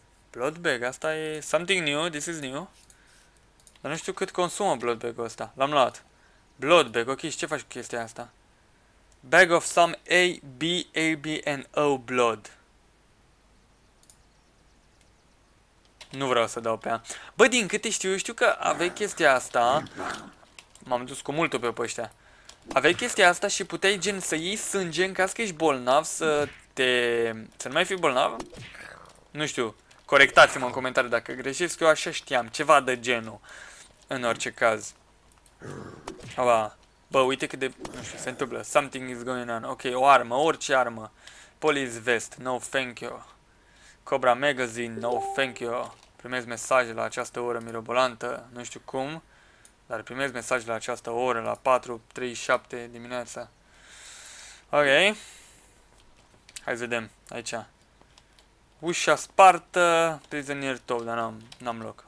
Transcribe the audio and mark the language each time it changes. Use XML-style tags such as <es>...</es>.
<en>Bloodbag,</en> <ro>asta e</ro> <en>something new, this is new.</en> <ro>Dar nu știu cât consumă bloodbag-ul ăsta. L-am luat. Bloodbag, ok, și ce faci cu chestia asta?</ro> <en>Bag of some ABABNO blood.</en> <ro>Nu vreau să dau pe ea. Bă, din câte știu, eu știu că aveai chestia asta. M-am dus cu multul pe ăștia. Aveai chestia asta și puteai gen să iei sânge în caz că ești bolnav, să nu mai fii bolnav? Nu știu. Corectați-mă în comentarii dacă greșesc, eu așa știam, ceva de genul. În orice caz. Aba. Bă, uite cât de... Nu știu, se întâmplă.</ro> <en>Something is going on.</en> <ro>Ok, o armă, orice armă.</ro> <en>Police vest, no thank you. Cobra magazine, no thank you.</en> <ro>Primez mesaje la această oră mirobolantă, nu știu cum, dar primez mesaje la această oră, la 4:37 dimineața. Ok. Hai să vedem, aici. Ușa spartă, prizonier top, dar n-am loc.</ro>